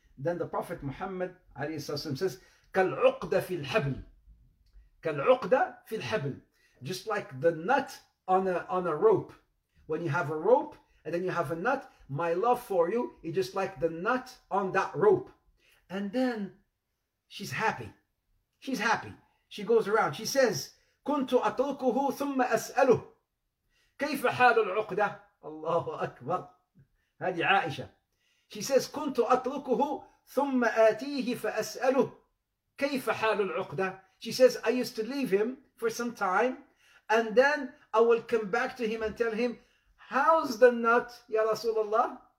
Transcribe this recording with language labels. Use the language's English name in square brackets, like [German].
[Arabic] Then the Prophet Muhammad says, كَالْعُقْدَ فِي الْحَبْلِ كَالْعُقْدَ فِي الْحَبْلِ, [English] just like the nut on a rope. When you have a rope and then you have a nut, my love for you is just like the nut on that rope. And then she's happy. She goes around. She says, [Arabic] كُنْتُ أَتْرُكُهُ ثُمَّ أَسْأَلُهُ كَيْفَ حَالُ الْعُقْدَ. Allahu Akbar. هذه عائشة. [English] She says, [Arabic] كُنْتُ أَتْرُكُهُ ثُمَّ آتِيهِ فَأَسْأَلُهُ كَيْفَ حَالُ الْعُقْدَةِ. [English] She says, I used to leave him for some time And then I will come back to him and tell him, how's the knot, Ya Rasulullah?